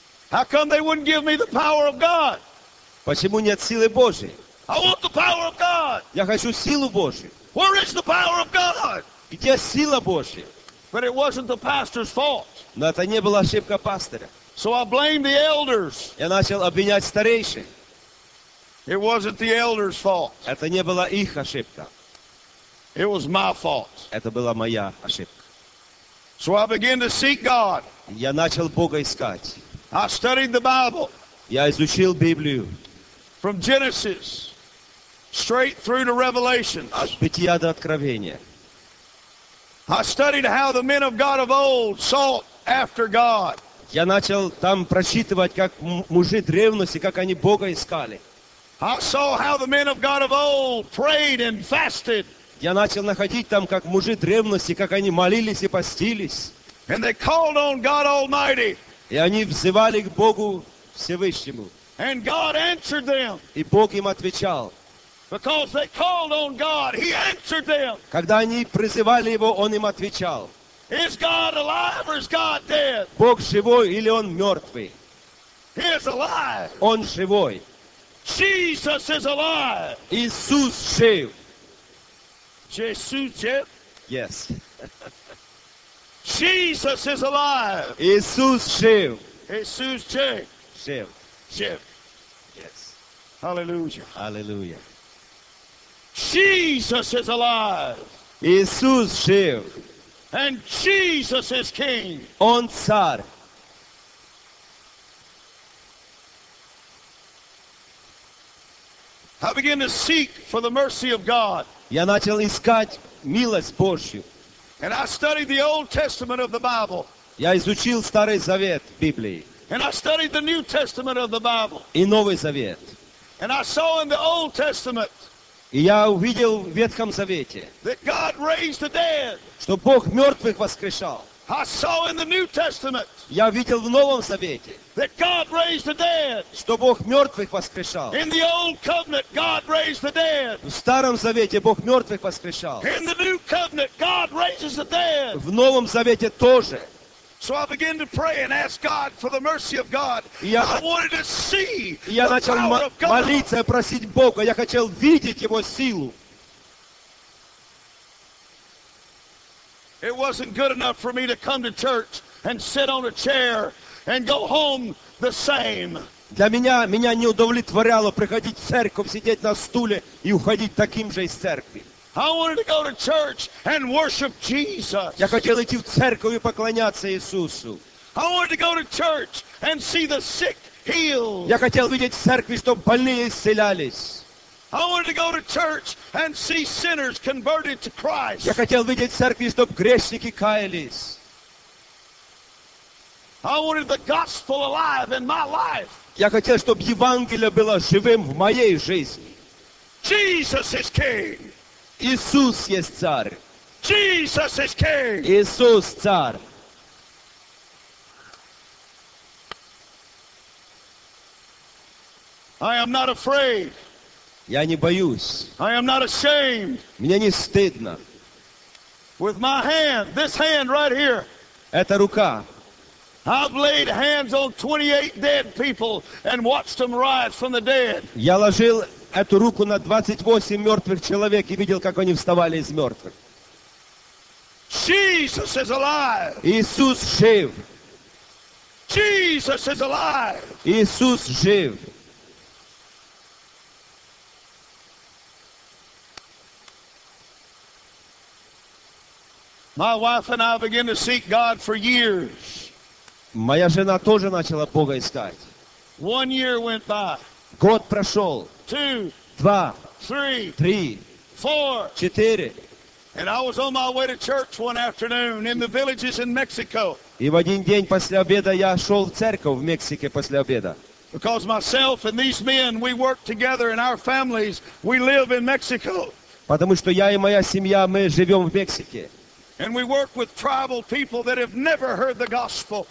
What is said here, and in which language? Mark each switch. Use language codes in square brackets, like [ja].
[en] How come they wouldn't give me the power of God? [ru] Почему нет силы Божьей? [en] I want the power of God. [ru] Я хочу силу Божью. [en] Where is the power of God? [ru] Где сила Божья? [en] But it wasn't the pastor's fault. [ru] Но это не была ошибка пастора. [en] So I blamed the elders. [ru] Я начал обвинять старейшин. [en] It wasn't the elders' fault. [ru] Это не была их ошибка. [en] It was my fault. [ru] Это была моя ошибка. [en] So I began to seek God. [ru] Я начал Бога искать. [en] I studied the Bible. [ru] Я изучил Библию. [en] From Genesis straight through to Revelation. [ru] От Бытия до Откровения. [en] I studied how the men of God of old sought after God. [ru] Я начал там прочитывать, как мужи древности, как они Бога искали. [en] I saw how the men of God of old prayed and fasted. [ru] Я начал находить там, как мужи древности, как они молились и постились. [en] And they called on God Almighty. [ru] И они взывали к Богу Всевышнему. [en] And God answered them. [ru] И Бог им отвечал. [en] Because they called on God, He answered them. [ru] Когда они призывали Его, Он им отвечал. [en] Is God alive or is God dead? [ru] Бог живой или Он мертвый? [en] He is alive. [ru] Он живой. [en] Jesus is alive. [ru] Иисус жив. Jesus жив? [en] Yes. Jesus is alive. [ru] Иисус жив. Jesus жив. Жив. Жив. [en] Yes. Hallelujah. Hallelujah. Jesus is alive. [ru] Иисус жив. [en] And Jesus is King. [ru] Он царь. [en] I began to seek for the mercy of God. [ru] Я начал искать милость Божью. [en] And I studied the Old Testament of the Bible. [ru] Я изучил Старый Завет Библии. [en] And I studied the New Testament of the Bible. [ru] И Новый Завет. [en] And I saw in the Old Testament. [ru] И я увидел в Ветхом Завете. [en] That God raised the dead. [ru] Что Бог мертвых воскрешал. [en] I saw in the New Testament. [ru] Я видел в Новом Завете. [en] That God raised the dead. [ru] Что Бог мертвых воскрешал. [en] In the Old Covenant, God raised the dead. [ru] В Старом Завете Бог мертвых воскрешал. [en] In the New Covenant, God raises the dead. [ru] В Новом Завете тоже. [en] So I began to pray and ask God for the mercy of God. I wanted to see the power of God. [ru] Я начал молиться и просить Бога. Я хотел видеть Его силу. [en] It wasn't good enough for me to come to church and sit on a chair and go home the same. [ru] Для меня не удовлетворяло приходить в церковь, сидеть на стуле и уходить таким же из церкви. [en] I wanted to go to church and worship Jesus. [ru] Я хотел идти в церковь и поклоняться Иисусу. [en] I wanted to go to church and see the sick healed. [ru] Я хотел видеть в церкви, чтобы больные исцелялись. [en] I wanted to go to church and see sinners converted to Christ. [ru] Я хотел видеть в церкви, чтобы грешники каялись. [en] I wanted the gospel alive in my life. [ru] Я хотел, чтобы Евангелие было живым в моей жизни. [en] Jesus is King. [ru] Иисус есть царь. [en] Jesus is King. [ru] Иисус царь. [en] I am not afraid. [ru] Я не боюсь. [en] I am not ashamed. [ru] Мне не стыдно. [en] With my hand, this hand right here. [ru] Эта рука. [en] I've laid hands on 28 dead people and watched them rise from the dead. [ru] Я ложил эту руку на 28 мертвых человек и видел, как они вставали из мертвых. [en] Jesus is alive. [ru] Иисус жив. [en] Jesus is alive. [ru] Иисус жив. [en] My wife and I began to seek God for years. [ru] Моя жена тоже начала Бога искать. [en] 1 year went by. [ru] Год прошел. [en] 2. [ru] 2. [en] 3. [ru] 3. [en] 4. [ru] 4. [en] And I was on my way to church one afternoon in the villages in Mexico. [ru] И в один день после обеда я шел в церковь в Мексике после обеда. [en] Because myself and these men, we work together in our families. We live in Mexico. [ru] Потому что я и моя семья, мы живем в Мексике. [en] And we work with tribal people that have never heard the gospel.